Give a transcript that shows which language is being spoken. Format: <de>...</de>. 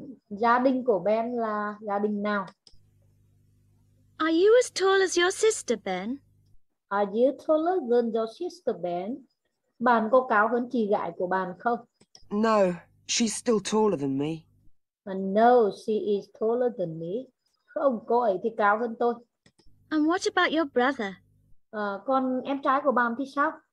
<vi>Gia đình của Ben là gia đình nào?</vi> <en>Are you as tall as your sister, Ben? Are you taller than your sister, Ben?</en> <vi>Bạn có cao hơn chị gái của bạn không?</vi> <en>No, she's still taller than me. No, she is taller than me.</en> <vi>Không, cô ấy thì cao hơn tôi.</vi> <en>And what about your brother?</en> <vi>Còn em trai của bạn thì sao?</vi>